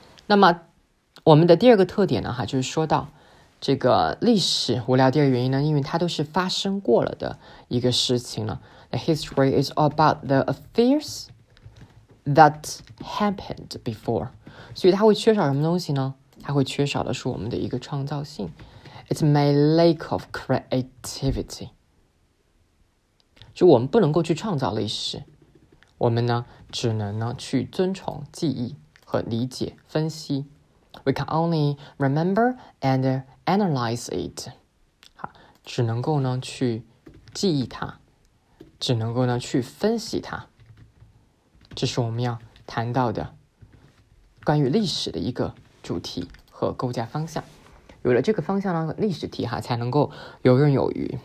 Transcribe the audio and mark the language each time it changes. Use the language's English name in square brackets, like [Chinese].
[Chinese] 那么我们的第二个特点呢，哈，就是说到这个历史无聊的原因呢，因为它都是发生过了的一个事情了。 [English] History is about the affairs that happened before. [Chinese] 所以它会缺少什么东西呢？它会缺少的是我们的一个创造性。 [English] It's my lack of creativity. [Chinese] 就我们不能够去创造历史，我们呢只能呢去遵从记忆和理解分析。 [English] We can only remember and analyze it. [Chinese] 好，只能够呢去记忆它，只能够呢去分析它。这是我们要谈到的关于历史的一个主题和构架方向。有了这个方向呢，历史题哈才能够游刃有余。